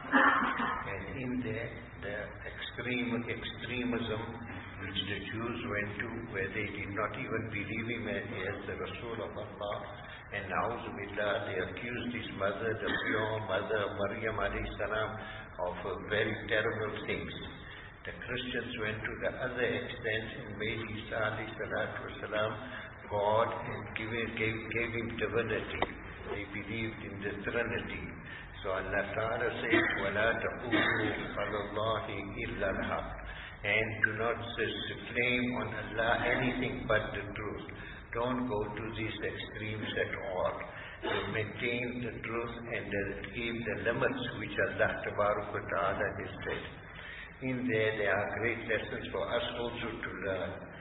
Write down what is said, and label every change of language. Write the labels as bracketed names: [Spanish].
[English] And in there, the extremism which the Jews went to, where they did not even believe him as the Rasul of Allah, and A'udhu Billah, they accused his mother, the pure mother Maryam alayhi salam, of very terrible things. The Christians went to the other extent and made Isa alayhi salatu was salam God and gave him divinity. They believed in the Trinity. So Allah Ta'ala says, [Arabic] وَلَا تَقُولُوا عَلَى اللَّهِ إِلَّا الْحَقِّ. [English] And do not claim on Allah anything but the truth. Don't go to these extremes at all. To maintain the truth and keep the limits which Allah Tabaruk wa Ta'ala has said. In there are great lessons for us also to learn.